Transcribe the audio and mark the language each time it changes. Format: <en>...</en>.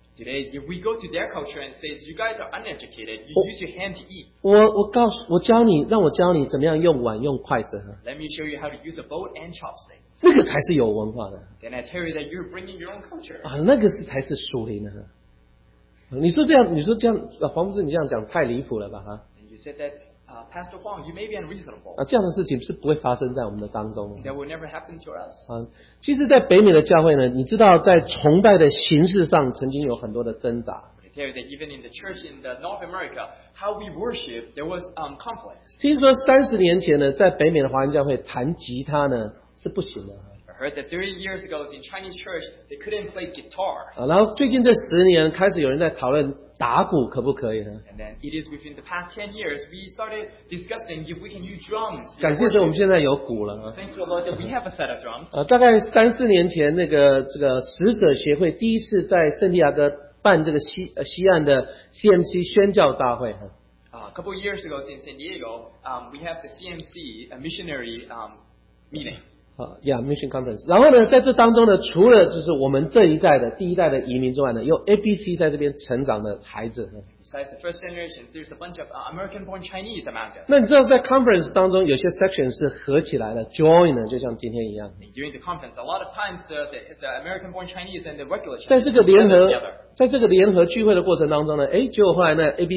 <en>Today, if we go to their culture and say, you guys are uneducated, you use your hand to eat.</en> <zh>我告诉，我教你，让我教你怎么样用碗用筷子。</zh> <en>Let me show you how to use a bowl and chopsticks.</en> <zh>那个才是有文化的。</zh> <en>Then I tell you that you're bringing your own culture.</en> <zh>那个才是属灵的。你说这样，黄牧师，你这样讲太离谱了吧？</zh> <en>And you said that, Pastor Huang, you may be unreasonable.</en> <zh>这样的事情是不会发生在我们的当中。</zh> <en>That will never happen to us.</en> <zh>其实，在北美的教会呢， 你知道，在崇拜的形式上曾经有很多的挣扎。</zh> <en>I tell you that even in the church in the North America, how we worship, there was conflict.</en> <zh>听说30年前呢， 在北美的华人教会弹吉他呢， 是不行的。</zh> <en>I heard that 30 years ago in Chinese church, they couldn't play guitar.</en> <zh>然后最近这10年， 开始有人在讨论 打鼓可不可以?</zh> <en>And then it is within the past 10 years we started discussing if we can use drums.</en> <zh>感谢神，我们现在有鼓了。</zh> <en>Thanks to the Lord that we have a set of drums.</en> <zh>大概三四年前，这个使者协会第一次在圣地亚哥办这个西岸的 CMC 宣教大会。</zh> <en>A couple years ago in San Diego, we have the CMC missionary meeting. Mission Conference.</en> <zh>然后呢, 在这当中呢, 除了就是我们这一代的, 第一代的移民之外呢, 用APC在这边成长的孩子,</zh> <en>besides the first generation, there's a bunch of American-born Chinese among us.</en> <zh>那你知道在conference当中, 有些section是合起来的, join的, 就像今天一样。</zh> <en>During the conference, a lot of times the American-born Chinese and the regular Chinese</en> <zh>在这个联合, 在这个联合聚会的过程当中呢, 诶, 结果后来呢,</zh>